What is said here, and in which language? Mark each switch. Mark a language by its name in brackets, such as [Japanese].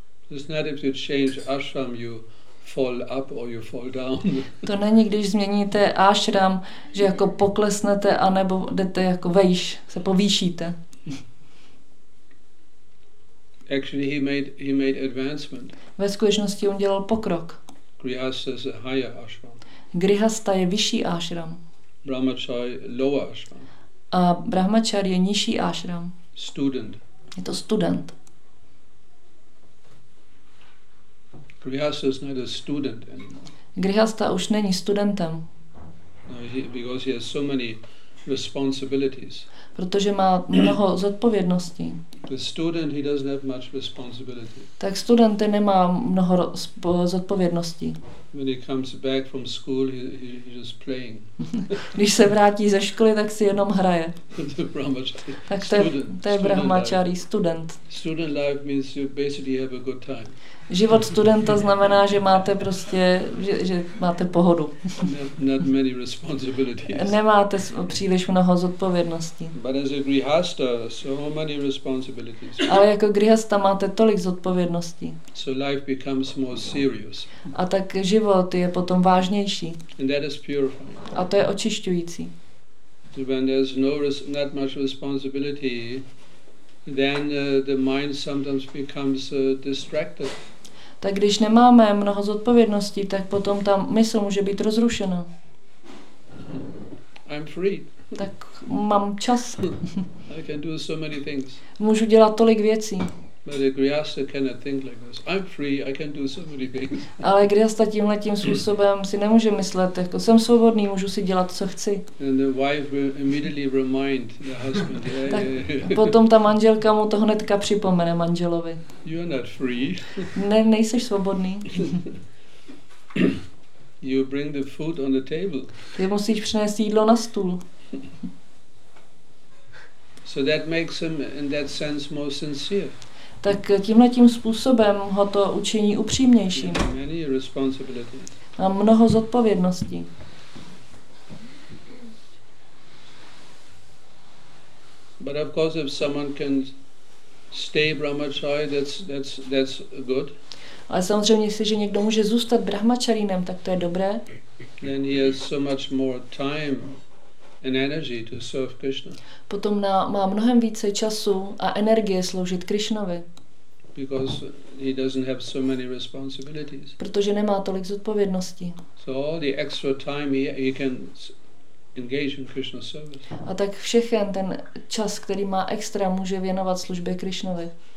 [English] It's not if you change ashram, you fall up or you fall down. [Czech] To není, když změníte ashram, že jako poklesnete a nebo jdete jako vejš, se povýšíte. [English] Actually, he made advancement. [Czech] Ve skutečnosti on dělal pokrok. [English] Grihastha is a higher ashram. [Czech] Grihastha je vyšší ashram. [English] Brahmachari lower ashram. [Czech] A brahmachari je nižší ashram. [English] Student. [Czech] Je to student. [English] Grihastha is not a student anymore. [Czech] Grihastha už není studentem. [English] No, because he has so many responsibilities. [Czech] Protože má mnoho zodpovědností. [English] The student, he doesn't have much responsibility. [Czech] Tak student nemá mnoho zodpovědností. [English] When he comes back from school, he's just playing. [Czech] Když se vrátí ze školy, tak si jenom hraje. Tak to je brahmačari, student. [English] Student life means you basically have a good time. [Czech] Život studenta znamená, že máte prostě, že máte pohodu. [English] Not many responsibilities. [Czech] Nemáte příliš mnoho zodpovědností. [English] But as a grihastha, so many responsibilities. [Czech] Ale jako grihastha máte tolik zodpovědností. [English] So life becomes more serious. [Czech] A tak život je potom vážnější. [English] And that is purifying. [Czech] A to je očišťující. [English] When there's not much responsibility, then the mind sometimes becomes distracted. [Czech] Tak když nemáme mnoho zodpovědností, tak potom ta mysl může být rozrušena. [English] I'm free. [Czech] Tak mám čas. [English] I can do so many things. [Czech] Můžu dělat tolik věcí. [English] But a grihastha cannot think like this. I'm free, I can do so many things. [Czech] Ale grihastha tímhle tím způsobem si nemůže myslet, jako jsem svobodný, můžu si dělat co chci. [English] And the wife will immediately remind the husband. [Czech] Tak potom ta manželka mu to hnedka připomene manželovi. [English] You are not free. [Czech] Ne, nejseš svobodný. [English] You bring the food on the table. [Czech] Ty musíš přinést jídlo na stůl. [English] So that makes him in that sense more sincere. [Czech] Tak tímhle tím způsobem ho to učiní upřímnějším. [English] Many responsibilities. [Czech] A mnoho zodpovědností. [English] But of course if someone can stay brahmachari, that's good. [Czech] Ale samozřejmě, jestliže někdo může zůstat brahmačarínem, tak to je dobré. [English] Then he has so much more time and energy to serve Krishna. [Czech] Potom má mnohem více času a energie sloužit Krishnovi. [English] Because he doesn't have so many responsibilities. [Czech] Protože nemá tolik zodpovědností. [English] So all the extra time he can engage in Krishna service. [Czech] A tak všechen ten čas, který má extra, může věnovat službě Krishnovi.